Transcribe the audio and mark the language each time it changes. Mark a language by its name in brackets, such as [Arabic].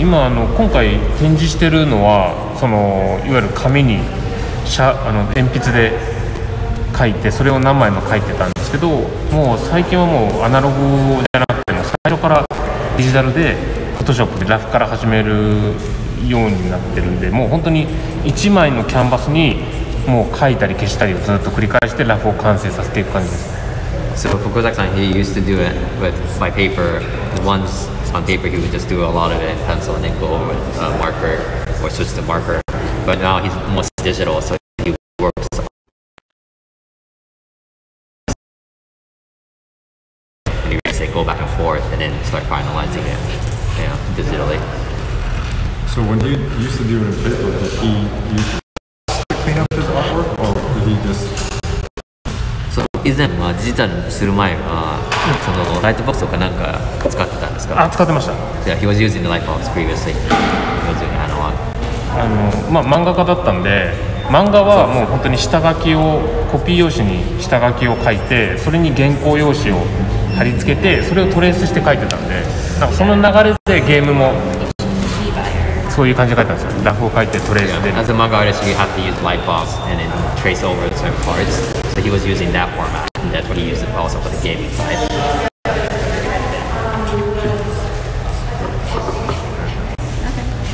[Japanese] 今あの今回展示してるのはそのいわゆる紙にしゃあの鉛筆で書いてそれを何枚も書いてたんですけど、もう最近はもうアナログじゃなくても最初からデジタルでフォトショップでラフから始めるようになってるんで、もう本当に1枚のキャンバスにもう描いたり消したりをずっと繰り返してラフを完成させていく感じです。 [English] So for Kozaki-san, he used to do it with my paper. Once on paper, he would just do a lot of it, pencil, and then go over with a marker or switch to marker. But now he's most digital, so he works on it. And he go back and forth and then start finalizing it, yeah, digitally. So when he used to do it in paper, did he use it? [Japanese] 以前はデジタルする前はそのライトボックスとかなんか使ってたんですか？あ、使ってました。じゃあ、 [English] he was using the light box previously. He was using analog. [Japanese] まあ漫画家だったんで、漫画はもう本当に下書きをコピー用紙に下書きを書いて、それに原稿用紙を貼り付けて、それをトレースして書いてたんで、なんかその流れでゲームもそういう感じで書いてたんですよ。ラフを書いてトレースで。 [English] As a manga artist, you have to use light box and then trace over the certain parts. So he was using that format, and that's what he used also for the gaming side. Okay.